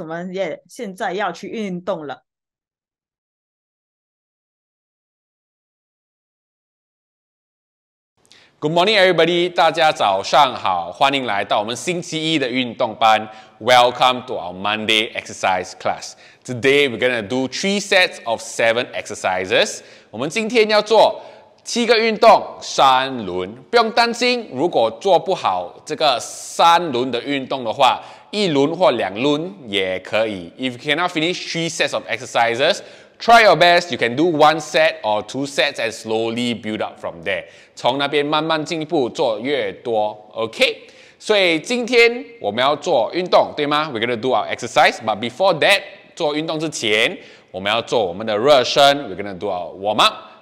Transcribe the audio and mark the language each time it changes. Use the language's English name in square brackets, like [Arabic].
[Chinese] 我们也现在要去运动了。 [English] Good morning, everybody. [Chinese] 大家早上好，欢迎来到我们星期一的运动班。 [English] Welcome to our Monday exercise class. Today, we're going to do 3 sets of 7 exercises. [Chinese] 我们今天要做7个运动，三轮。不用担心，如果做不好这个三轮的运动的话，一轮或两轮也可以。 [English] If you cannot finish 3 sets of exercises,Try your best, you can do one set or two sets and slowly build up from there. [Chinese] 从那边慢慢进一步做越多 ,OK? 所以今天我们要做运动对吗？ [English] We're going to do our exercise, but before that, [Chinese] 做运动之前我们要做我们的热身， [English] We're going to do our warm up.